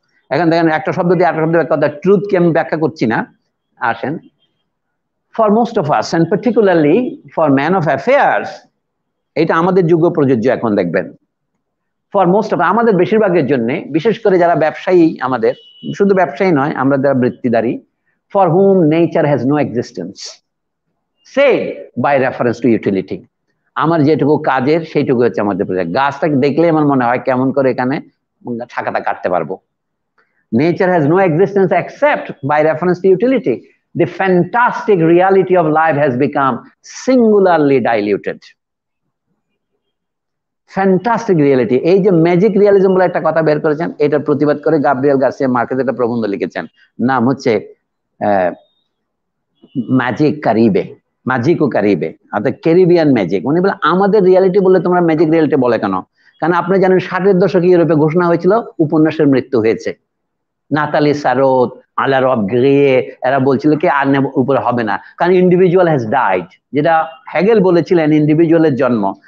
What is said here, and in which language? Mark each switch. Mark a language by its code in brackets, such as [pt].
[bn] এখন দেখেন একটা শব্দ দিয়ে একটা শব্দ ব্যাখ্যা, অর্থাৎ ট্রুথকে আমি ব্যাখ্যা করছি না। আসেন, [en] for most of us and particularly for man of affairs, [bn] এটা আমাদের যুগ প্রযোজ্য এখন দেখবেন, ফর মোস্ট অফ আমাদের বেশিরভাগের জন্য, বিশেষ করে যারা ব্যবসায়ী, আমাদের শুধু ব্যবসায়ী নয়, আমরা যারা বৃত্তিধারী, [en] for whom nature has no existence save by reference to utility, [bn] আমার যেটুকু কাজের সেইটুকু হচ্ছে আমাদের প্রয়োজন। গাছটাকে দেখলে আমার মনে হয় কেমন করে এখানে ছাকাটা কাটতে পারবো। [en] Nature has no existence except by reference to utility. The fantastic reality of life has become singularly diluted. Fantastic reality. [bn] এই যে ম্যাজিক রিয়ালিজম বলে একটা কথা বের করেছেন, এটার প্রতিবাদ করে গাব্রিয়েল গার্সিয়া মার্কেজ একটা প্রবন্ধ লিখেছেন, নাম হচ্ছে ম্যাজিক কারিবে, ম্যাজিক ও কারিবে, অর্থাৎ ক্যারিবিয়ান ম্যাজিক। উনি বলে আমাদের রিয়ালিটি বলে তোমরা ম্যাজিক রিয়ালিটি বলে কেন? কারণ আপনি জানেন 60-এর দশকে ইউরোপে ঘোষণা হয়েছিল উপন্যাসের মৃত্যু হয়েছে, নাতালি সারোদ আলার অফ গ্রিয়ে এরা বলছিল কি আর উপরে হবে না, কারণ [en] individual has died, [bn] যেটা হেগেল বলেছিলেন ইন্ডিভিজুয়ালের জন্ম।